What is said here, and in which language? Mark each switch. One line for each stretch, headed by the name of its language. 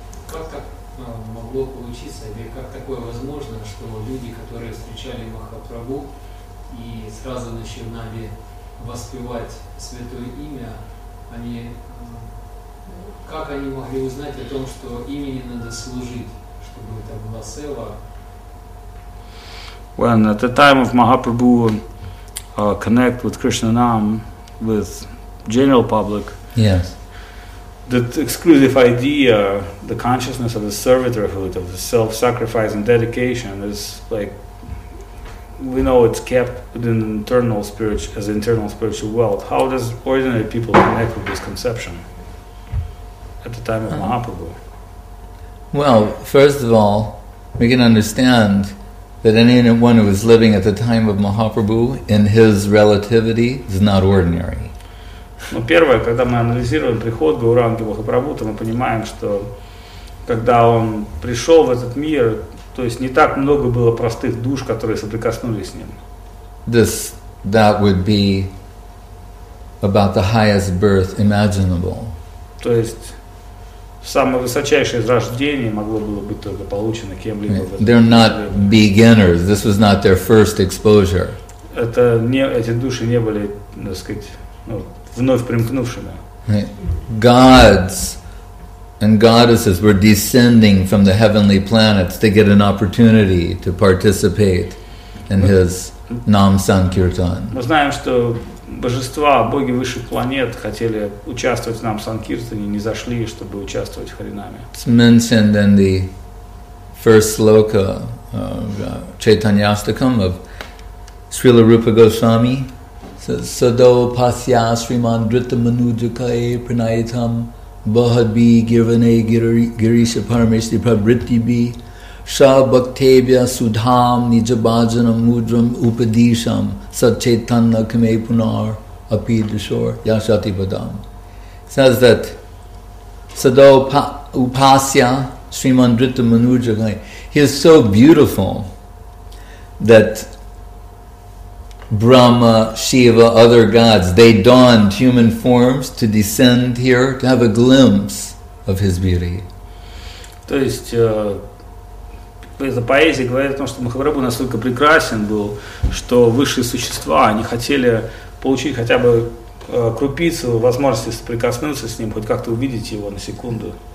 Russian: Как так могло получиться, или как такое возможно, что люди, которые встречали Махапрабху и сразу начинали воспевать святое имя, они как они могли узнать о том, что имени надо служить, чтобы это была сева?
English: When at the time of Mahaprabhu connect with Krishna Nam, with general public, yes, that exclusive idea, the consciousness of the servitorhood, of the self-sacrifice and dedication, is like, we know it's kept within internal spiritual, as internal spiritual wealth. How does ordinary people connect with this conception at the time of Mahaprabhu? Well, first of all, we can understand that anyone who was living at the time of Mahaprabhu in his relativity is not ordinary.
Russian: Ну, первое, когда мы анализируем приход Гауранги Махапрабху, то мы понимаем, что когда он пришел в этот мир, то есть не так много было простых душ, которые соприкоснулись с ним.
English: This, that would be about the highest birth imaginable.
Russian: То есть самое высочайшее рождение могло было быть только получено кем-либо.
English: Right. They're not beginners. This was not their first exposure.
Russian: Это не, эти души не были, так сказать, ну, вновь примкнувшими.
English: Gods and goddesses were descending from the heavenly planets to get an opportunity to participate in his Nam Sankirtan.
Russian: Мы знаем, что божества, боги высших планет хотели участвовать в Нам Санкиртане, не зашли, чтобы участвовать в Харинаме.
English: It's mentioned in the first sloka of Chaitanyastakam of Srila Rupa Goswami.
Sanskrit: Sado pasya sriman dritta manujakae pranayatam bahadbi girvane girisha parameshti prabritti bi shabhaktebya sudham nijabhajanam mudram upadisham satchetanna kame punar apidishor yashati padam.
English: Says that
Sanskrit: sado upasya sriman dritta manujakae,
English: he is so beautiful that Brahma, Shiva, other gods, they donned human forms to descend here to have a glimpse of his beauty.
Russian: То есть эта поэзия говорит о том, что Махапрабху настолько прекрасен был, что высшие существа, они хотели получить хотя бы крупицу возможности соприкоснуться с ним, хоть как-то увидеть его на секунду.